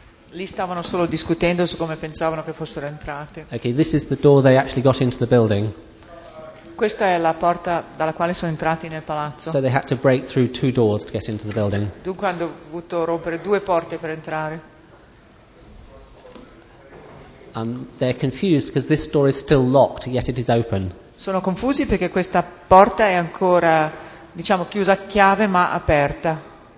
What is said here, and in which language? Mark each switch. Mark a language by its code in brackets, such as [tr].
[it] Lì stavano solo discutendo su come pensavano che fossero entrati. [en] Okay, this is the door they actually got into the building. [it] Questa è la porta dalla quale sono entrati nel palazzo. [en] So they had to break through two doors to get into the building. [it] Dunque hanno dovuto rompere due porte per entrare. [en] They're confused because this door is still locked, yet it is open. [it] Sono confusi perché questa porta è ancora, diciamo, chiusa a chiave ma aperta.